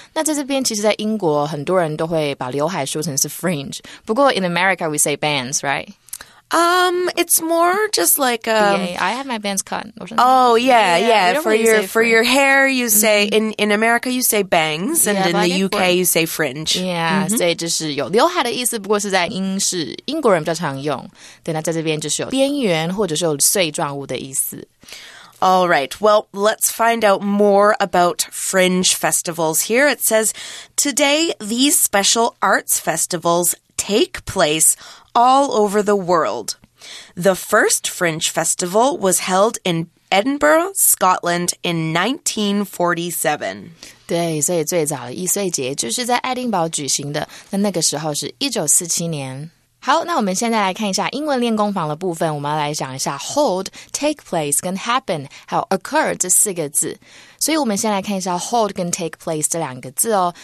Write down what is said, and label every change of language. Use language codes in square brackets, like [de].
[zh] 那在这边，其实在英国，很多人都会把刘海说成是 fringe。不过 [en] in America we say bands, right? It's more just like I have my bangs cut. Oh yeah. For your hair, you say in America you say bangs, and yeah, in the UK you say fringe. [zh] Yeah, 所以就是有刘海的意思，不过是在英国人比较常用。对，那在这边就是有边缘或者是有碎状物的意思。 [en] All right, well, let's find out more about fringe festivals here. It says today these special arts festivals take place. All over the world. The first Fringe Festival was held in Edinburgh, Scotland in 1947. [zh] 对，所以最早的易碎节就是在爱丁堡举行的，那个时候是1947年。好，那我们现在来看一下英文练功坊的部分，我们要来讲一下 hold, take place 跟 happen, 还有 occur 这四个字。所以我们先来看一下 hold 跟 take place 这两个字哦。